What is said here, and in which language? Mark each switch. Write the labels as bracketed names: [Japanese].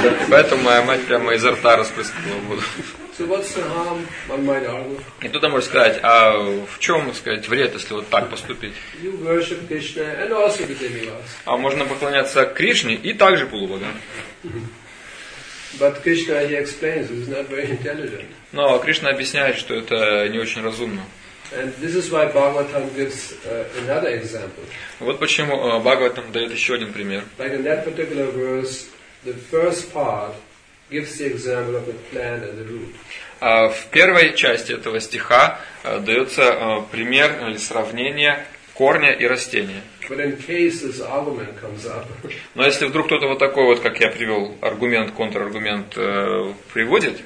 [Russian] Поэтому моя мать прямо изо рта распрыскала воду. [English] So what's the harm, one might argue? [Russian] И кто-то может сказать, а в чем, сказать, вред, если вот так поступить? [English] You worship Krishna and also the demigods. [Russian] А можно поклоняться Кришне и также полубогам. [English] But Krishna, he explains, is not very intelligent. [Russian] Но Кришна объясняет, что это не очень разумно. [English] And this is why Bhagavatam gives another example. [Russian] Вот почему Бхагаватам дает еще один пример. [English] Like in that particular verse, the first part gives the example of the plant and the root. [Russian] В первой части этого стиха дается пример или сравнение корня и растения. [English] But in case this argument comes up. [Russian] Но если вдруг кто-то вот такой вот, как я привел, аргумент, контраргумент приводит,